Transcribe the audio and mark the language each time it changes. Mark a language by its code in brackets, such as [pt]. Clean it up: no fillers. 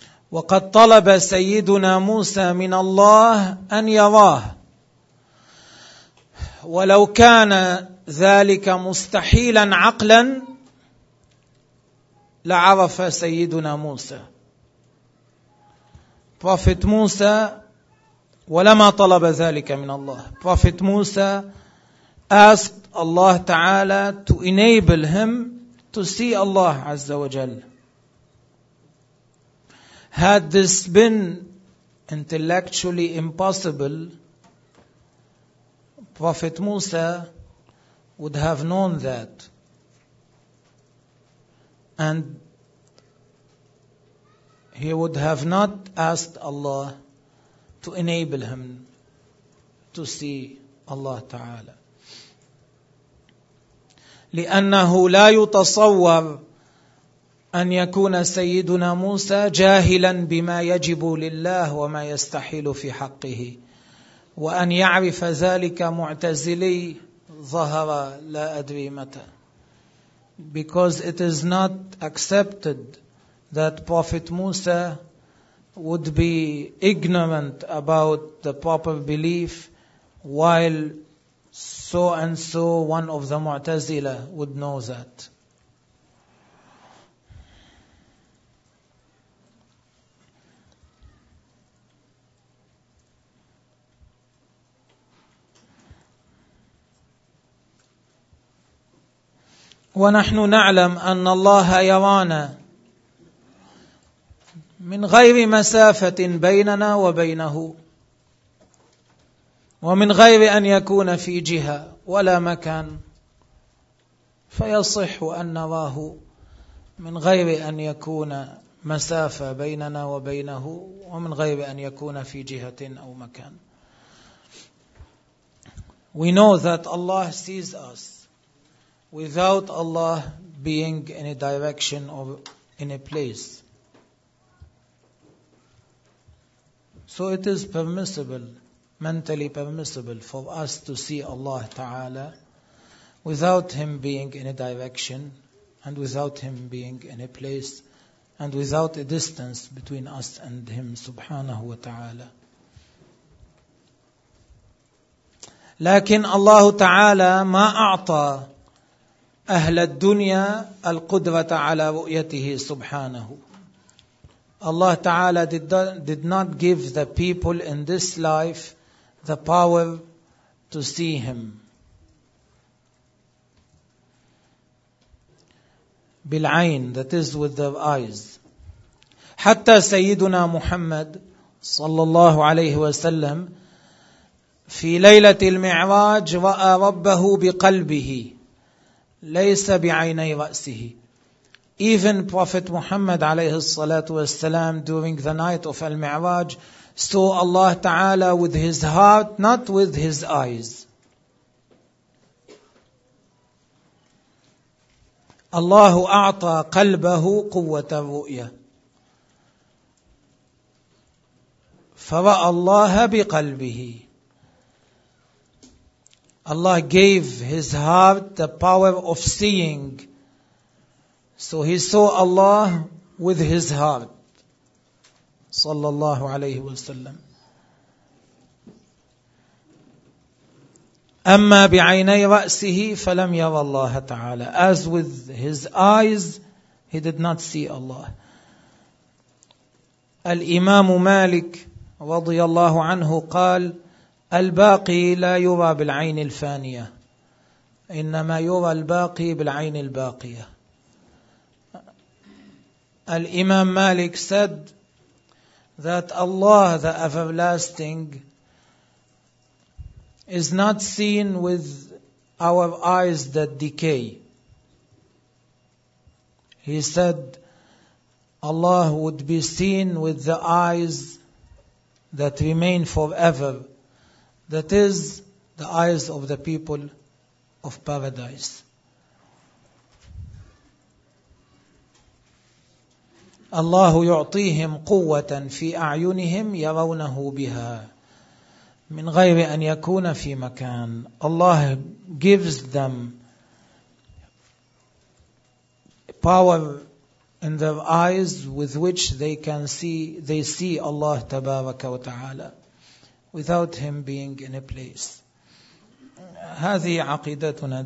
[ar] وقد طلب سيدنا موسى من الله أن يراه, ولو كان ذلك مستحيلا عقلا لعرف سيدنا موسى. Prophet Musa, ولما طلب ذلك من الله. [en] Prophet Musa asked Allah Ta'ala to enable him to see Allah Azza wa Jal. Had this been intellectually impossible, Prophet Musa would have known that. And he would have not asked Allah to enable him to see Allah Ta'ala. [ar] لأنه لا يتصور أن يكون سيدنا موسى جاهلا بما يجب لله وما يستحيل في حقه وأن يعرف ذلك معتزلي ظهر لا أدري متى. [en] Because it is not accepted that Prophet Musa would be ignorant about the proper belief while so and so, one of the Mu'tazila, would know that. [ar] وَنَحْنُ نَعْلَمْ أَنَّ اللَّهَ يَرَانَا مِنْ غَيْرِ مَسَافَةٍ بَيْنَنَا وَبَيْنَهُ ومن غير أن يكون في جهة ولا مكان فيصح أن نراه من غير أن يكون مسافة بيننا وبينه ومن غير أن يكون في جهة أو مكان. [en] We know that Allah sees us without Allah being in a direction or in a place. So it is permissible, mentally permissible, for us to see Allah Ta'ala without Him being in a direction and without Him being in a place and without a distance between us and Him Subhanahu wa Ta'ala. [ar] لكن الله تعالى ما أعطى أهل الدنيا القدرة على رؤيته سبحانه. [en] Allah Ta'ala did not give the people in this life the power to see him. [ar] بالعين, [en] that is with their eyes. [ar] حتى سيدنا محمد صلى الله عليه وسلم في ليلة المعراج رأى ربه بقلبه ليس بعيني رأسه. [en] Even Prophet Muhammad [ar] عليه الصلاة والسلام [en] during the night of المعراج saw Allah Ta'ala with his heart, not with his eyes. [ar] Allah a'ta qalbahu quwwata ru'ya. Fara'a Allah biqalbihi. [en] Allah gave his heart the power of seeing. So he saw Allah with his heart. [ar] صلى الله عليه وسلم. أما بعيني رأسه فلم يرى الله تعالى. [en] As with his eyes, he did not see Allah. [ar] الإمام مالك رضي الله عنه قال: الباقي لا يرى بالعين الفانية، إنما يرى الباقي بالعين الباقية. [en] الإمام مالك said that Allah, the everlasting, is not seen with our eyes that decay. He said, Allah would be seen with the eyes that remain forever. That is, the eyes of the people of paradise. [ar] الله يعطيهم قوة في أعينهم يرونه بها من غير أن يكون في مكان. [en] Allah gives them power in their eyes with which they can see, they see Allah [ar] تبارك وتعالى [en] without Him being in a place. [ar] هذه عقيدتنا.